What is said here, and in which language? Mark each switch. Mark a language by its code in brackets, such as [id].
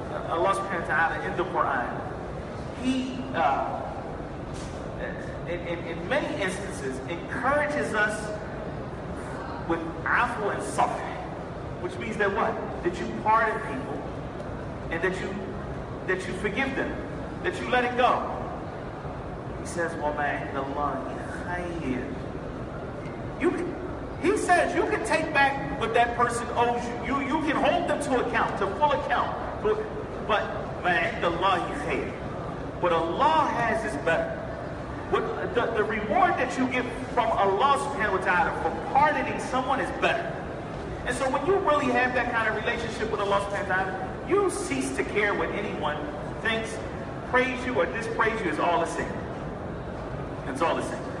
[en] Allah subhanahu wa ta'ala in the Quran, He, in many instances, encourages us with afu and safh, which means that what? That you pardon people, and that you forgive them, that you let it go. He says, [ar] وَمَا عِنْدَ اللَّهِ خَيْرٍ. [en] He says, you can take back what that person owes you. You can hold them to account, to full account. But [ar] مَا عِنْدَ اللَّهِ خَيْرٍ. [en] What Allah has is better. The reward that you get from Allah subhanahu wa ta'ala for pardoning someone is better. And so when you really have that kind of relationship with Allah subhanahu wa ta'ala, you cease to care what anyone thinks, praise you or dispraise you. It's all the same.